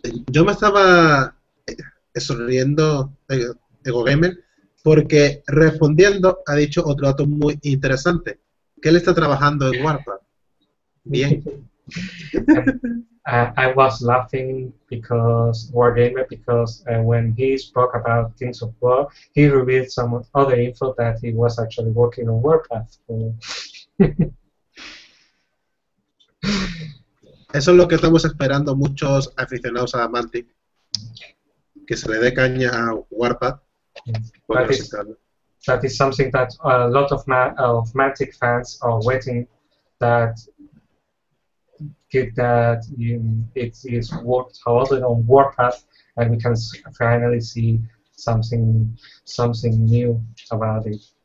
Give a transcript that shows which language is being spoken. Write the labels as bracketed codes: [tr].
[es] Yo me estaba sonriendo de GoGamer, porque respondiendo ha dicho otro dato muy interesante, que él está trabajando en Warcraft. Bien. [en] I was laughing because Wargamer, because when he spoke about Kings of War, he revealed some other info that he was actually working on Warcraft. [es] Eso es lo que estamos esperando muchos aficionados a Mantic, que se le dé caña a Warcraft. [en] That is something that a lot of Mantic fans are waiting, that it is worked hard on Warcraft, and we can finally see something new about it.